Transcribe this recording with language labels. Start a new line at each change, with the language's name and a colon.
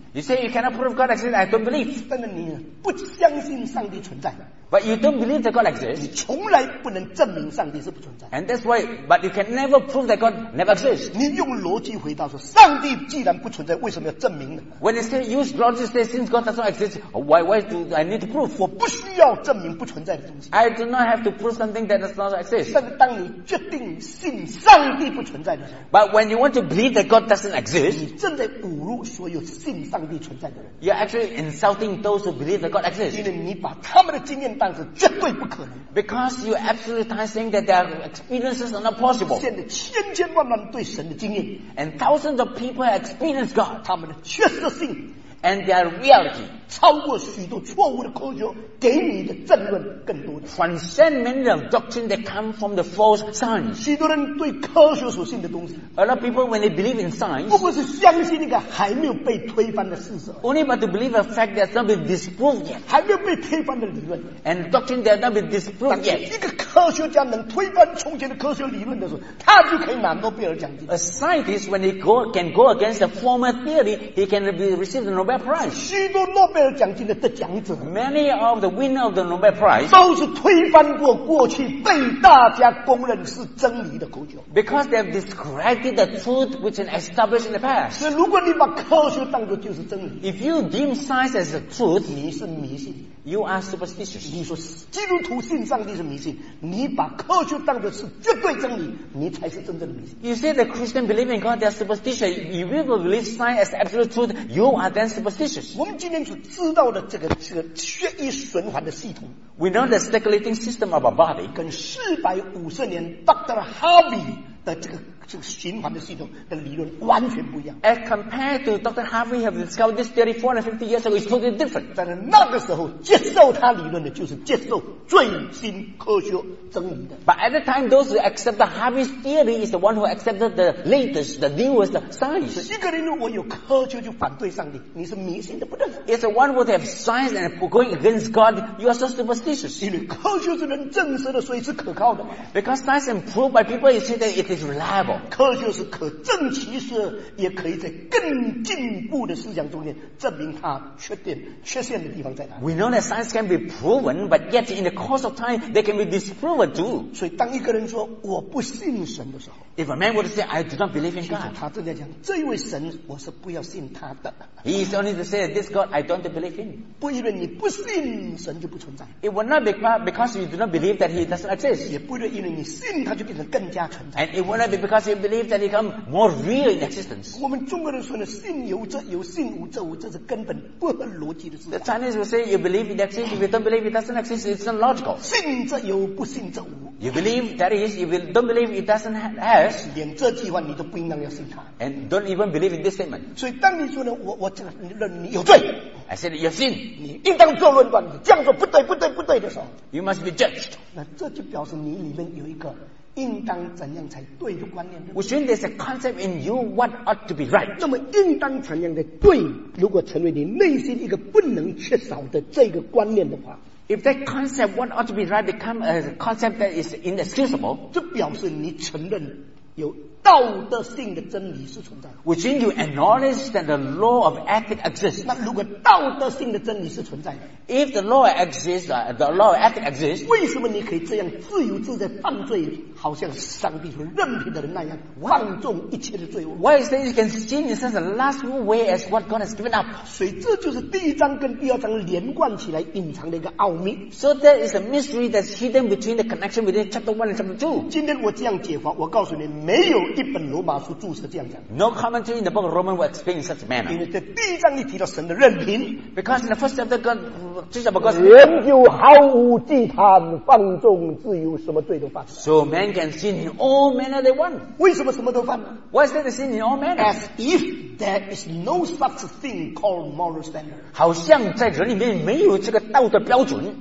English: You say you cannot prove God exists, I don't believe.
Chinese: 但是你不相信上帝存在。
English: But you don't believe that God exists.
Chinese: 你从来不能证明上帝是不存在。
English: And that's why, but you can never prove that God never exists.
Chinese: 你用逻辑回答说，上帝既然不存在，为什么要证明呢
English: ？When you say use logic, say since God doesn't exist, why do I need to prove?
Chinese: 我不需要证明不存在的东西。
English: I do not have to prove something that does not exist.
Chinese: 但是当你决定信上帝不存在的时候
English: ，But when you want to believe that God doesn't exist,
Chinese: 你正在侮辱所有信上帝存在的人。
English: You're actually insulting those who believe that God exists.
Chinese: 因为你把他们的经验当是绝对不可能。
English: Because you absolutely think that their experiences are not possible.
Chinese: 现在千千万万对神的经验
English: ，and thousands of people experience God.
Chinese: 他们的缺失性。
English: and their reality.
Chinese: 超过许多错误的科学给你的证论更多的。
English: Transcend many of doctrine that come from the false science.
Chinese: 许多人对科学所信的东西。
English: A lot of people when they believe in science.
Chinese: 不过是相信那个还没有被推翻的事实。
English: Only but to believe a fact that's not been disproved yet.
Chinese: 还没有被推翻的理论。
English: And doctrine that's not been disproved yet.
Chinese: 一个科学家能推翻从前的科学理论的时候，他就可以拿诺贝尔奖金。
English: A scientist when he can go against the former theory, he can receive the Nobel Prize.
Chinese: 许多诺贝尔奖金的得奖者
English: ，many of the winner of the Nobel Prize
Chinese: 都是推翻过过去被大家公认是真理的科学。
English: Because they have discredited the truth which is established in the past.
Chinese: 所以如果你把科学当作就是真理
English: ，if you deem science as a truth，
Chinese: 你是迷信。
English: You are superstitious.
Chinese: 你说基督徒信上帝是迷信，你把科学当作是绝对真理，你才是真正的迷信。
English: You say the Christian believe in God, they are superstitious. If you believe science as absolute truth, you are then superstitious.
Chinese: 我们今天所知道的这个血液循环的系统
English: ，We know the circulating system of our body.
Chinese: 跟450年 Dr. Harvey 的这个循环的系统的理论完全不一样。
English: As compared to Dr. Harvey have discovered this theory 450 years ago, it's totally different.
Chinese: 但是那个时候接受他理论的就是接受最新科学真理的。
English: But at the time, those who accept the Harvey's theory is the one who accepted the latest, the newest science.
Chinese: 一个人如果有科学就反对上帝，你是迷信的不得了。
English: It's the one who have science and going against God, you are so superstitious.
Chinese: 因为科学是能证实的，所以是可靠的。
English: Because science is proved by people, you say that it is reliable.
Chinese: 科学是可证其实也可以在更进步的思想中间证明它缺陷的地方在哪里。
English: We know that science can be proven, but yet in the course of time, they can be disproven too.
Chinese: 所以当一个人说我不信神的时候
English: ，If a man would say I do not believe in God，
Chinese: 他正在讲这位神我是不要信他的。
English: He is only to say this God I don't believe in。
Chinese: 不因为你不信神就不存在。
English: It would not be because you do not believe that he doesn't exist。
Chinese: 也不因为你信他就变成更加存在。
English: And it would not beBecause you believe that he come more real in existence.
Chinese: 我们中国人说的信有则有，信无则无，这是根本不合逻辑的事。
English: The Chinese will say you believe it exists, if you don't believe it doesn't exist, it's not logical.
Chinese: 信则有，不信则无。
English: You believe that is, if you don't believe it doesn't has,
Chinese: 连这句话你都不应当要信他。
English: And don't even believe in this statement.
Chinese: 所以当你说呢，我这个人你有罪。
English: I said you sin.
Chinese: 你应当做论断，你这样说不对，不对，不对的时候。
English: You must be judged.
Chinese: 那这就表示你里面有一个。应当怎样才对的观念
English: Which means there's a concept in you what ought to be right.
Chinese: 那么应当怎样的对如果成为你内心一个不能缺少的这个观念的话
English: If that concept what ought to be right become a concept that is inexcusable
Chinese: 这表示你承认有道德性的真理是存在的
English: Which means you acknowledge that the law of ethic exists.
Chinese: 那如果道德性的真理是存在的
English: If the law exists, the law of ethic exists,
Chinese: 为什么你可以这样自由自在犯罪好像上帝所任凭的人那样放纵一切的罪恶
English: Why is that you can sin in such a last way as what God has given up?
Chinese: 所以这就是第一章跟第二章连贯起来隐藏的一个奥秘
English: So there is a mystery that's hidden between the connection between chapter 1 and chapter 2.
Chinese: 今天我这样解法我告诉你没有一本罗马书注释这样讲
English: No commentary in the book of Romans will explain in such a manner
Chinese: 因为在第一章你提到神的任凭
English: Because in the first chapter God just because
Chinese: 人就毫无忌惮放纵自由什么罪都犯
English: So man can sin in all manner they want
Chinese: 为什么什么都犯
English: Why is there a sin in all manner As if there is no such thing called moral standard
Chinese: 好像在人里面没有这个道德标准